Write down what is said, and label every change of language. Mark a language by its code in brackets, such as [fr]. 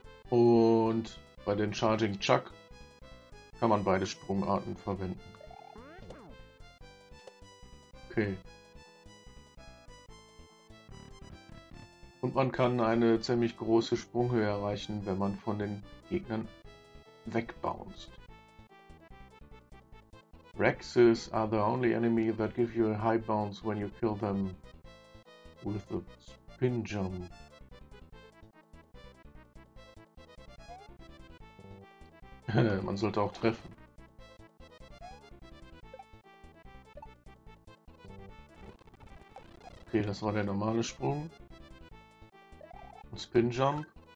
[de] Und bei den Charging Chuck kann man beide Sprungarten verwenden. Okay. Und man kann eine ziemlich große Sprunghöhe erreichen, wenn man von den Gegnern wegbounced. [en] Rexes are the only enemy that give you a high bounce when you kill them with a spin jump. [de] Man sollte auch treffen. Okay, das war der normale Sprung. Und Spin Jump.